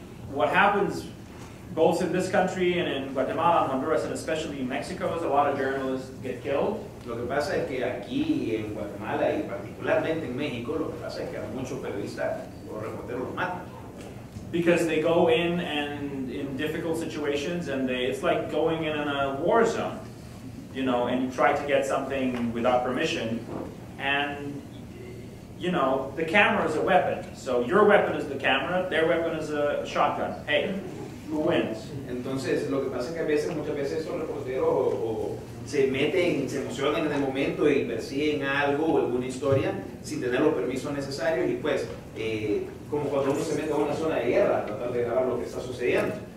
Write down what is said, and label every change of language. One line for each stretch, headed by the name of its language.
English: What happens both in this country and in Guatemala and Honduras, and especially in Mexico, is a lot of journalists get killed.
Spanish: Lo que pasa es que aquí en Guatemala y particularmente en México, lo que pasa es que a muchos periodistas o reporteros los matan.
English: Because they go in and in difficult situations, and it's like going in a war zone, you know, and you try to get something without permission, and you know, the camera is a weapon. So your weapon is the camera, their weapon is a shotgun. Hey. Who wins?
Spanish: Entonces, lo que pasa es que a veces, muchas veces, esos reporteros o se meten, se emocionan en el momento y persiguen algo o alguna historia sin tener los permisos necesarios y, pues, como cuando uno se mete a una zona de guerra, tratar de grabar lo que está sucediendo.